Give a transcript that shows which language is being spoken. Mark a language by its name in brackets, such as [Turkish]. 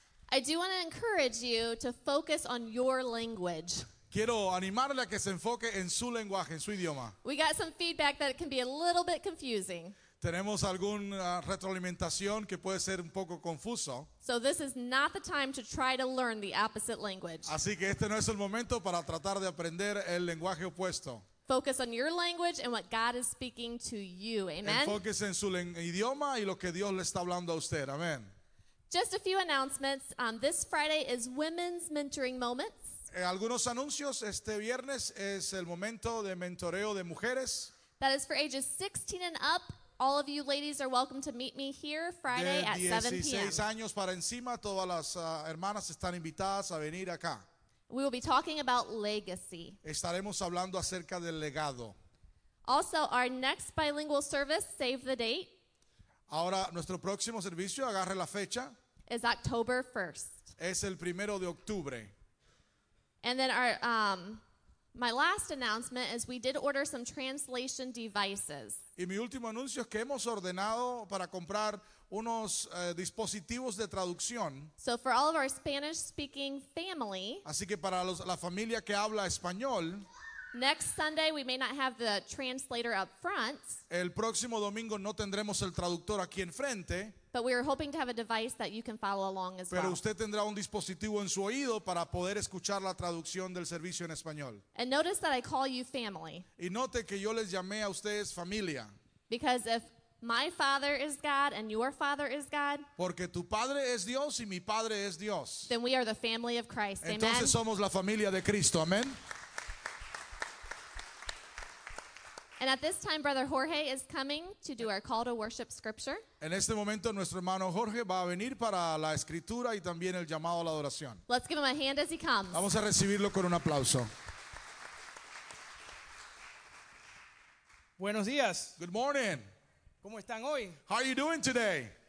[English] I do want to encourage you to focus on your language. [Spanish] Quiero animarle a que se enfoque en su lenguaje, en su idioma. [English] We got some feedback that it can be a little bit confusing. [Spanish] Tenemos alguna retroalimentación que puede ser un poco confuso. [English] So this is not the time to try to learn the opposite language. [Spanish] Así que este no es el momento para tratar de aprender el lenguaje opuesto. [English] Focus on your language and what God is speaking to you. Amen. [Spanish] Enfóquese en su idioma y lo que Dios le está hablando a usted. Amen. [English] Just a few announcements. This Friday is Women's Mentoring Moments. [Spanish] Algunos anuncios. Este viernes es el momento de mentoreo de mujeres. [English] That is for ages 16 and up. All of you ladies are welcome to meet me here Friday at 7 p.m. 16 [Spanish] años para encima, todas las hermanas están invitadas a venir acá. [English] We will be talking about legacy. [Spanish] Estaremos hablando acerca del legado. [English] Also, our next bilingual service, save the date. [Spanish] Ahora, nuestro próximo servicio, agarre la fecha. [English] Is October 1st. [Spanish] Es el primero de octubre. [English] And then our... My last announcement is we did order some translation devices. [Spanish] Y mi último anuncio es que hemos ordenado para comprar unos dispositivos de traducción. [English] So for all of our Spanish-speaking family. [Spanish] Así que para la familia que habla español. [English] Next Sunday we may not have the translator up front. [Spanish] El próximo domingo no tendremos el traductor aquí enfrente. [English] But we are hoping to have a device that you can follow along as [Spanish] Pero [English] well. [Spanish] Pero usted tendrá un dispositivo en su oído para poder escuchar la traducción del servicio en español. [English] And notice that I call you family. [Spanish] Y note que yo les llamé a ustedes familia. [English] Because if my father is God and your father is God, [Spanish] Porque tu padre es Dios y mi padre es Dios. [English] Then we are the family of Christ. Amen. [Spanish] Entonces somos la familia de Cristo. Amen. [English] And at this time, Brother Jorge is coming to do our call to worship scripture. [Spanish] En este momento, nuestro hermano Jorge va a venir para la escritura y también el llamado a la adoración. [English] Let's give him a hand as he comes. [Spanish] Vamos a recibirlo con un aplauso. Buenos días. [English] Good morning. [Spanish] ¿Cómo están hoy? [English] How are you doing today?